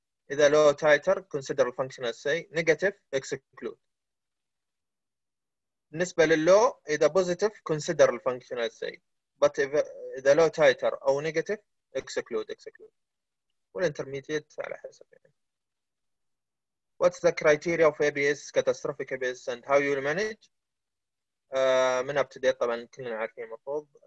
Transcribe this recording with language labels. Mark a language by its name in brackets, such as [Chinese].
[Arabic] إذا [English] Low Titer Consider Functional Assay Negative Exclude. [Arabic] بالنسبة للLow إذا [English] Positive Consider Functional Assay But if, إذا Low Titer أو Negative Exclude. [Arabic] والIntermediate على حسب يعني. [English] What's the criteria of ABS, catastrophic ABS, and how you manage? [Arabic] من up to date, طبعاً كلنا عارفين المفروض.